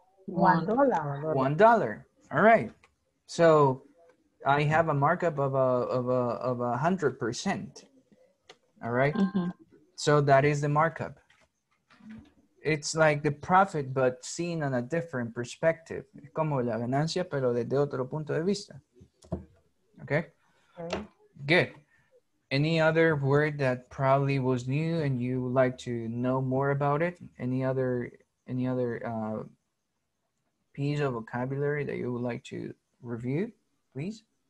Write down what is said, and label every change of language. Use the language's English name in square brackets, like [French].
[English] $1. All right, so I have a markup of 100%. All right. Mm-hmm. So that is the markup. It's like the profit, but seen on a different perspective. [Spanish] Como la ganancia, pero desde otro punto de vista. [English] Okay. Good. Any other word that probably was new and you would like to know more about it? Any other piece of vocabulary that you would like to review, please?